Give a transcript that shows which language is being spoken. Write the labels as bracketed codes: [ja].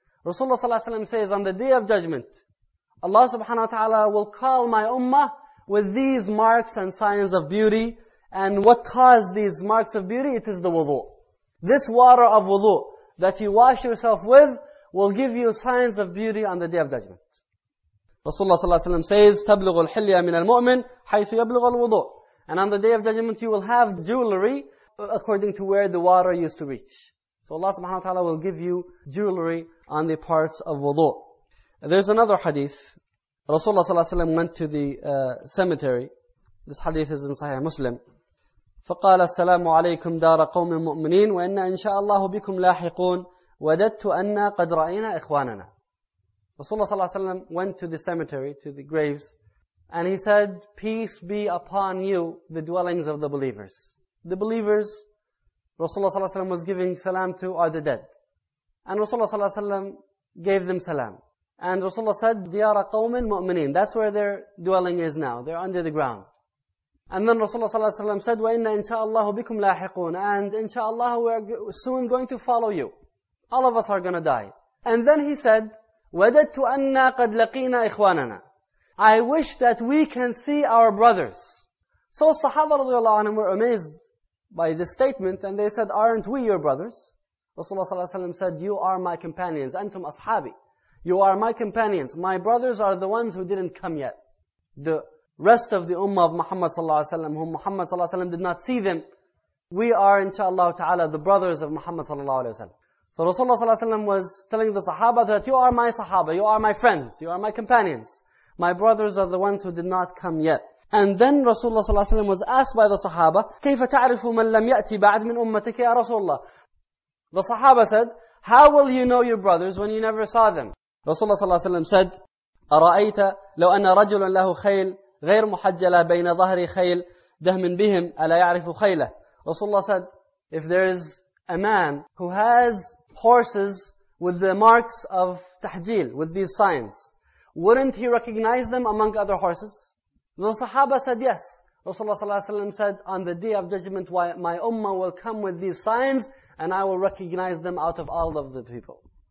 [en] Rasulullah sallallahu alayhi wa sallam says, on the day of judgment, Allah subhanahu wa ta'ala will call my ummah with these marks and signs of beauty. And what caused these marks of beauty? It is the wudu. This water of wudu that you wash yourself with will give you signs of beauty on the day of judgment. Rasulullah sallallahu alayhi wa sallam says, [ar] تَبْلُغُ الْحِلْيَةَ مِنَ الْمُؤْمِنِ حَيْثُ يَبْلُغُ الْوُضُوء. [en] And on the day of judgment, you will have jewelry according to where the water used to reach. So Allah subhanahu wa ta'ala will give you jewelry on the parts of wudu. There's another hadith. Rasulullah sallallahu alayhi wa sallam went to the cemetery. This hadith is in Sahih Muslim. [ar] فقال السلام عليكم دار قوم المؤمنين وإن إن شاء الله بكم لاحقون وددت أن قد رأينا إخواننا. [en] Rasulullah صلى الله عليه وسلم went to the cemetery, to the graves, and he said, peace be upon you, the dwellings of the believers. The believers Rasulullah صلى الله عليه وسلم was giving salam to are the dead. And Rasulullah صلى الله عليه وسلم gave them salam. And Rasulullah said, [ar] ديار قوم المؤمنين. [en] That's where their dwelling is now. They're under the ground. And then Rasulullah sallallahu alayhi wa sallam said, [ar] وَإِنَّ إِنْ شَاءَ اللَّهُ بِكُمْ لَاحِقُونَ. [en] And inshaAllah, we are soon going to follow you. All of us are going to die. And then he said, [ar] وَدَدْتُ أَنَّا قَدْ لَقِينَا إِخْوَانَنَا. [en] I wish that we can see our brothers. So Sahaba radiallahu anhu were amazed by this statement, and they said, aren't we your brothers? Rasulullah sallallahu alayhi wa sallam said, you are my companions. [ar] أنتم أصحابي. [en] You are my companions. My brothers are the ones who didn't come yet. The rest of the ummah of Muhammad sallallahu alaihi wasallam, whom Muhammad sallallahu alaihi wasallam did not see them, we are inshaAllah ta'ala the brothers of Muhammad sallallahu alaihi wasallam. So Rasulullah sallallahu alaihi wasallam was telling the sahaba that you are my sahaba, you are my friends, you are my companions. My brothers are the ones who did not come yet. And then Rasulullah sallallahu alaihi wasallam was asked by the sahaba, [ar] كيف تعرف من لم يأتي بعد من أمتك يا رسول الله? [en] The sahaba said, how will you know your brothers when you never saw them? Rasulullah sallallahu alaihi wasallam said, [ar] أرأيت لو أن رجلا له خيل غير محجلة بين ظهر خيل دهم بهم ألا يعرف خيله. [en] Rasulullah said, if there is a man who has horses with the marks of تحجيل, with these signs, wouldn't he recognize them among other horses? The Sahaba said, yes. Rasulullah صلى الله عليه وسلم said, on the day of judgment, my ummah will come with these signs and I will recognize them out of all of the people.